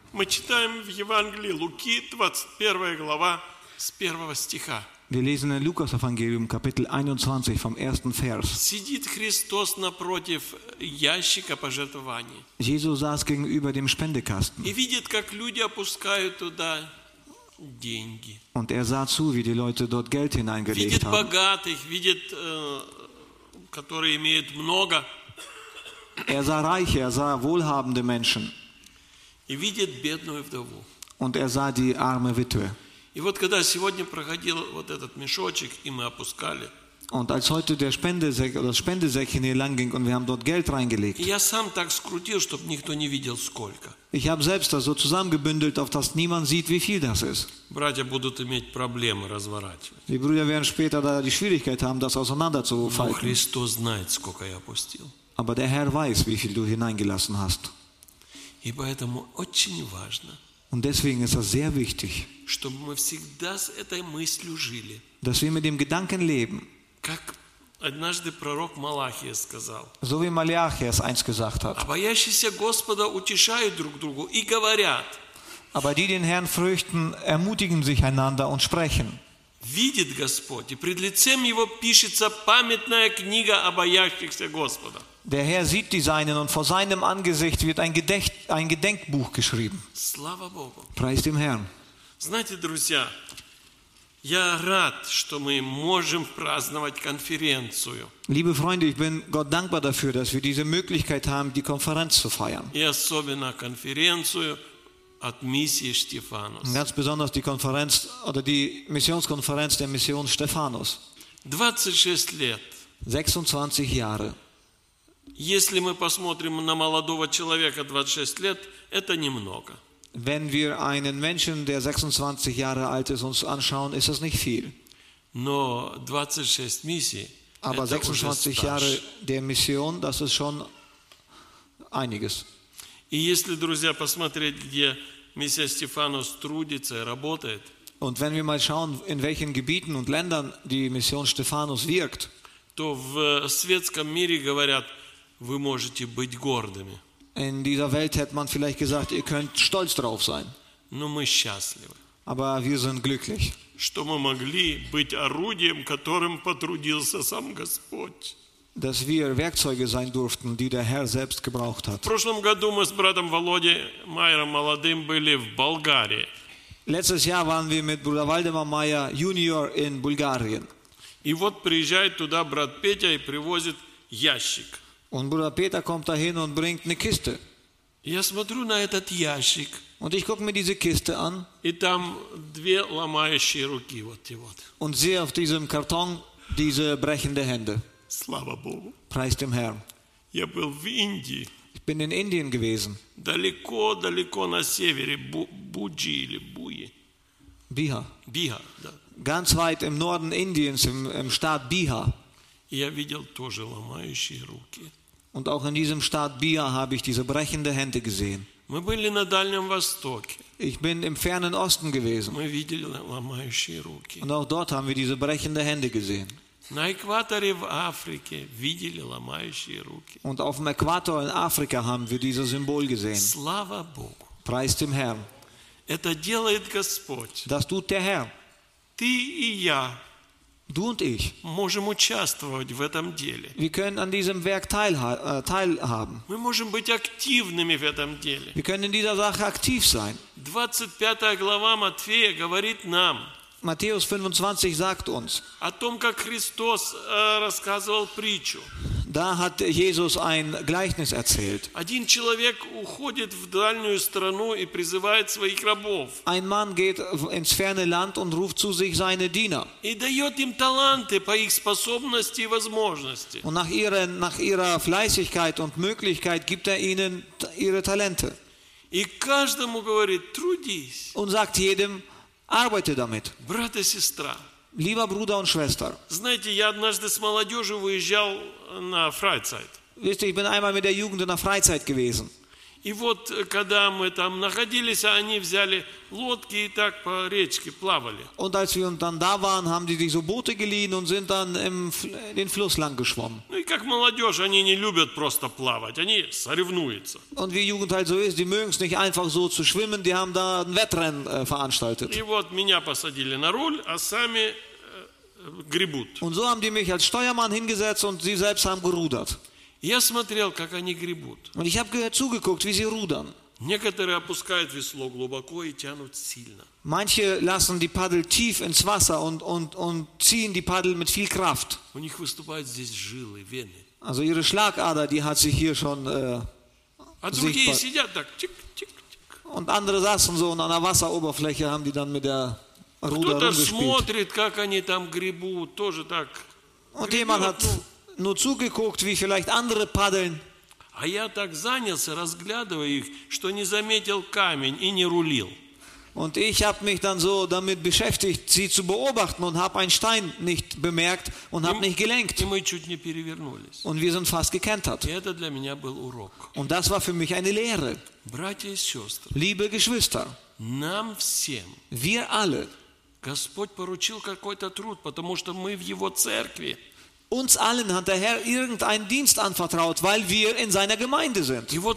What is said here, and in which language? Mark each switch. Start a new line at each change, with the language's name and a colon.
Russian: Мы читаем в Евангелии Луки, 21 глава, с 1 стиха.
German: Wir lesen in Lukas Evangelium, Kapitel 21, vom 1. Vers.
Russian: Сидит Христос напротив ящика пожертвований.
German: Jesus saß gegenüber dem Spendekasten.
Russian: И видит, как люди опускают туда деньги.
German: Und sah zu, wie die Leute dort Geld hineingelegt haben.
Russian: Видит богатых, видит, которые имеют много.
German: Sah Reiche, sah wohlhabende Menschen.
Russian: И видит бедную вдову.
German: Und sah die arme Witwe.
Russian: И вот когда сегодня проходил вот этот мешочек, и мы опускали.
German: Und als heute der Spendesäckchen hier lang ging und wir haben dort Geld reingelegt.
Russian: Я сам так скрутил, чтобы никто не видел, сколько.
German: Ich habe selbst das so zusammengebündelt, auf dass niemand sieht, wie viel das ist.
Russian: Братья будут иметь проблемы разворачивать.
German: Die Brüder werden später da die Schwierigkeit haben, das auseinanderzufalten.
Russian: Но Христос знает, сколько я опустил.
German: Aber der Herr weiß, wie viel du hineingelassen hast.
Russian: И поэтому очень важно.
German: Und deswegen ist das sehr wichtig.
Russian: Чтобы мы всегда с этой мыслью жили.
German: Dass wir mit dem Gedanken leben.
Russian: Как однажды пророк Малахия сказал.
German: So wie Malachias eins gesagt hat.
Russian: А боящиеся Господа утешают друг другу и говорят.
German: Aber die den Herrn fürchten, ermutigen sich einander und sprechen.
Russian: Видит Господь, и пред лицем его пишется памятная книга о боящихся Господа.
German: Der Herr sieht die Seinen und vor seinem Angesicht wird ein Gedenkbuch geschrieben.
Russian: Слава Богу.
German: Preis dem Herrn.
Russian: Знаете, друзья, я рад, что мы можем праздновать конференцию.
German: Liebe Freunde, ich bin Gott dankbar dafür, dass wir diese Möglichkeit haben, die Konferenz zu feiern.
Russian: И особенно конференцию от миссии Стефанос.
German: Ganz besonders die Konferenz oder die Missionskonferenz der Mission Stephanus.
Russian: 26 лет.
German: 26 Jahre.
Russian: Если мы посмотрим на молодого человека 26 лет, это немного.
German: Wenn wir einen Menschen, der 26 Jahre alt ist, uns anschauen, ist das nicht viel.
Russian: Но 26 миссий,
German: aber 26 Jahre der Mission, das ist schon einiges.
Russian: И если, друзья, посмотреть, где миссия Стефанос трудится и работает,
German: und wenn wir mal schauen, in welchen Gebieten und Ländern die Mission Stephanus wirkt,
Russian: то в светском мире говорят, вы можете быть гордыми.
German: In dieser Welt hätte man vielleicht gesagt, ihr könnt stolz drauf sein.
Russian: Но мы счастливы.
German: Aber wir sind glücklich.
Russian: Что мы могли быть орудием, которым потрудился сам Господь.
German: Dass wir Werkzeuge sein durften, die der Herr selbst gebraucht hat.
Russian: В прошлом году мы с братом Володей Майером молодым были в Болгарии.
German: Letztes Jahr waren wir mit Bruder Waldemar Meyer Junior in Bulgarien.
Russian: И вот приезжает туда брат Петя и привозит ящик.
German: Und Bruder Peter kommt dahin und bringt eine Kiste.
Russian: Я смотрю на этот ящик.
German: Und ich gucke mir diese Kiste an.
Russian: И там две ломающие руки вот и вот.
German: Und sehe auf diesem Karton diese brechende Hände.
Russian: Слава Богу.
German: Preis dem Herrn.
Russian: Я был в Индии.
German: Ich bin in Indien gewesen.
Russian: Далеко, далеко на севере, Буджи или Буи. Бихар. Бихар, да.
German: Ganz weit im Norden Indiens, im Staat Bihar.
Russian: Я видел тоже ломающие руки.
German: Und auch in diesem Staat Bihar habe ich diese brechende Hände gesehen.
Russian: Мы были на Дальнем Востоке.
German: Ich bin im Fernen Osten gewesen.
Russian: Мы видели ломающие руки.
German: Und auch dort haben wir diese brechende Hände gesehen.
Russian: На экваторе в Африке видели ломающие руки.
German: Und auf dem Äquator in Afrika haben wir dieses Symbol gesehen.
Russian: Слава Богу.
German: Preis dem Herrn.
Russian: Это делает Господь.
German: Das tut der Herr.
Russian: Ты и я.
German: Du und ich.
Russian: Можем участвовать в этом деле.
German: Wir können an diesem Werk teilhaben.
Russian: Мы можем быть активными в этом деле.
German: Wir können in dieser Sache aktiv sein.
Russian: 25. Глава Матфея говорит нам.
German: Matthäus 25 sagt uns.
Russian: О том, как Христос рассказывал притчу.
German: Da hat Jesus ein Gleichnis erzählt.
Russian: Один человек уходит в дальнюю страну и призывает своих рабов.
German: Ein Mann geht ins ferne Land und ruft zu sich seine Diener.
Russian: И дает им таланты по их способности и возможности.
German: Und nach ihrer Fleißigkeit und Möglichkeit gibt ihnen ihre Talente.
Russian: И каждому говорит: трудись.
German: Und sagt jedem: arbeite damit.
Russian: Брат и сестра.
German: Lieber Bruder und Schwester.
Russian: Знаете, я однажды с молодежью выезжал на Freizeit.
German: Wisst ihr, ich bin einmal mit der Jugend in der Freizeit gewesen.
Russian: И вот, когда мы там находились, они взяли лодки и так по речке плавали.
German: Und als wir dann da waren, haben die sich so Boote geliehen und sind dann den Fluss lang geschwommen.
Russian: Ну и как молодежь, они не любят просто плавать, они соревнуются.
German: Und wie Jugend halt so ist, die mögen es nicht einfach so zu schwimmen, die haben da ein Wettrennen veranstaltet.
Russian: И вот меня посадили на руль, а сами гребут.
German: Und so haben die mich als Steuermann hingesetzt und sie selbst haben gerudert.
Russian: Я смотрел, как они гребут.
German: Und ich habe zugeguckt, wie sie rudern.
Russian: Некоторые опускают весло глубоко и тянут сильно.
German: Manche lassen die Paddel tief ins Wasser und ziehen die Paddel mit viel Kraft.
Russian: У них выступают здесь жилы, вены.
German: Also ihre Schlagader, die hat sich hier schon sichtbar.
Russian: Другие сидят так, тик, тик, тик.
German: Und andere saßen so und an der Wasseroberfläche haben die dann mit der Ruder rumgespielt.
Russian: Кто-то смотрит, как они там гребут, тоже так.
German: Und jemand hat nur zugeguckt, wie vielleicht andere paddeln.
Russian: А я так занялся, разглядывая их, что не заметил камень и не рулил.
German: Und ich habe mich dann so damit beschäftigt, sie zu beobachten und habe einen Stein nicht bemerkt und habe nicht gelenkt.
Russian: И мы чуть не перевернулись.
German: Und wir sind fast gekentert.
Russian: И это для меня был урок.
German: Und das war für mich eine Lehre.
Russian: Братья и сестры,
German: liebe Geschwister,
Russian: нам всем,
German: wir alle,
Russian: Господь поручил какой-то труд, потому что мы в Его церкви.
German: Uns allen hat der Herr irgendeinen Dienst anvertraut, weil wir in seiner Gemeinde sind.